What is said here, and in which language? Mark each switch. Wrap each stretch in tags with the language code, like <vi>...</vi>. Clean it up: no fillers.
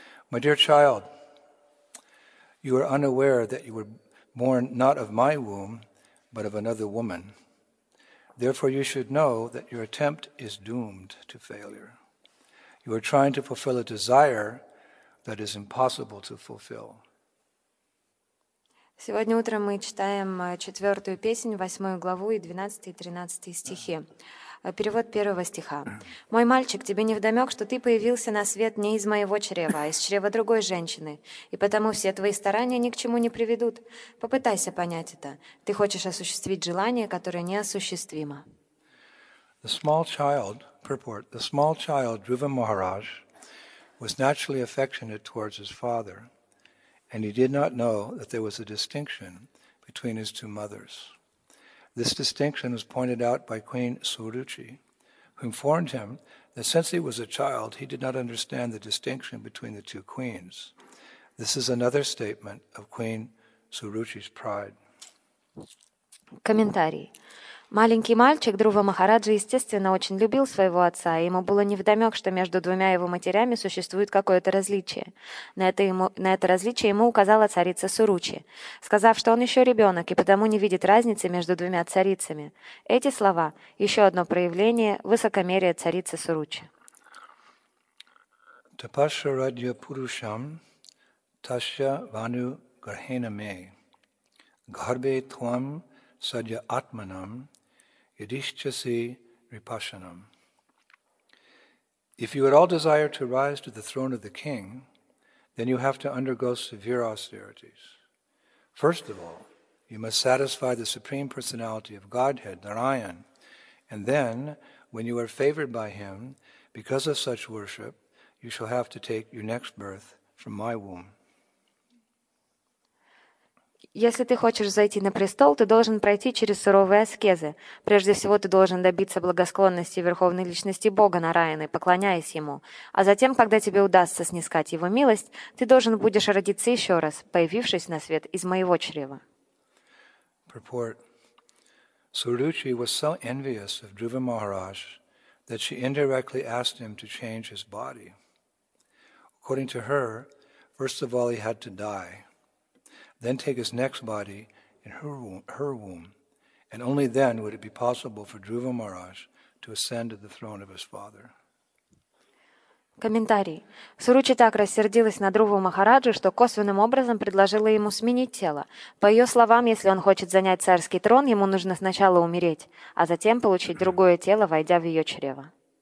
<en>My dear child, you are unaware that you were born not of my womb, but of another woman. Therefore, you should know that your attempt is doomed to failure. You are trying to fulfill a desire that is impossible to fulfill.</en> <ru>Сегодня утром мы читаем четвертую песнь, восьмую главу и 12 и 13 стихи. Перевод первого стиха. «Мой мальчик, тебе невдомек, что ты появился на свет не из моего чрева, а из чрева другой женщины, и потому все твои старания ни к чему не приведут. Попытайся понять это. Ты хочешь осуществить желание, которое неосуществимо».</ru> <en>The small child, purport, the small child, Dhruva Maharaj, was naturally affectionate towards his father, and he did not know that there was a distinction between his two mothers. This distinction was pointed out by Queen Suruchi, who informed him that since he was a child, he did not understand the distinction between the two queens. This is another statement of Queen Suruchi's pride. Commentary.</en> <ru>Маленький мальчик Друва Махараджа, естественно, очень любил своего отца, и ему было невдомек, что между двумя его матерями существует какое-то различие. На это различие ему указала царица Суручи, сказав, что он еще ребенок и потому не видит разницы между двумя царицами. Эти слова – еще одно проявление высокомерия царицы Суручи.</ru> <sa>Тапаша радья пурушам таща ваню гархена мей гарбе твам садья атманам Yadishchasi Ripashanam.</sa> <en>If you at all desire to rise to the throne of the king, then you have to undergo severe austerities. First of all, you must satisfy the Supreme Personality of Godhead, Narayan, and then, when you are favored by him, because of such worship, you shall have to take your next birth from my womb.</en> <ru>Если ты хочешь зайти на престол, ты должен пройти через суровые аскезы. Прежде всего, ты должен добиться благосклонности Верховной Личности Бога Нараяны, поклоняясь Ему. А затем, когда тебе удастся снискать Его милость, ты должен будешь родиться еще раз, появившись на свет из моего чрева.</ru> <en>Purport. Suruchi was so envious of Dhruva Maharaj that she indirectly asked him to change his body. According to her, first of all, he had to die. Then take his next body in her womb, and only then would it be possible for Dhruva Maharaj to ascend to the throne of his father.</en> <ru>Комментарий. Суручи так рассердилась на Друву Махараджу, что косвенным образом предложила ему сменить тело. По ее словам, если он хочет занять царский трон, ему нужно сначала умереть, а затем получить другое тело, войдя в ее чрево.</ru>